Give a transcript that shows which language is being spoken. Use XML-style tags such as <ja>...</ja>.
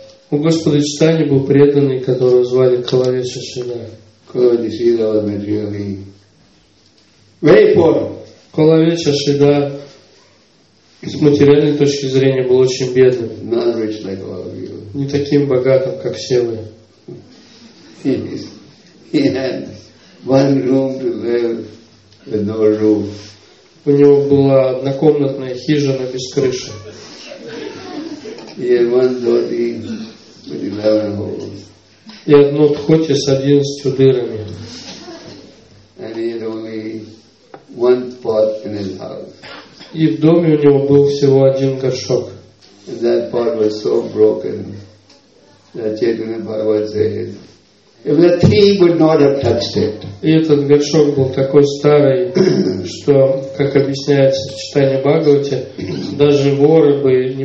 <ru>У Господа Чайтанья был преданный, которого звали Калавеча Шридхара. Калавеча Шридхара с материальной точки зрения был очень бедным.</ru> <en>Not rich like all of you.</en> <ru>Не таким богатым, как все вы.</ru> <en>He had one room to live with no roof.</en> <ru>У него была однокомнатная хижина без крыши.</ru> <en>He had one dhoti with 11 holes.</en> <ru>И одно дхоти с 11 дырами.</ru> <en>And he had only one pot in his house.</en> <ru>И в доме у него был всего один горшок.</ru> <en>And that pot was so broken that Chaitanya Bhagavat said, The tree would not have touched it.</en> <ru>И этот горшок был такой старый, что, как объясняется в читании Бхагавате, даже воры бы не</ru>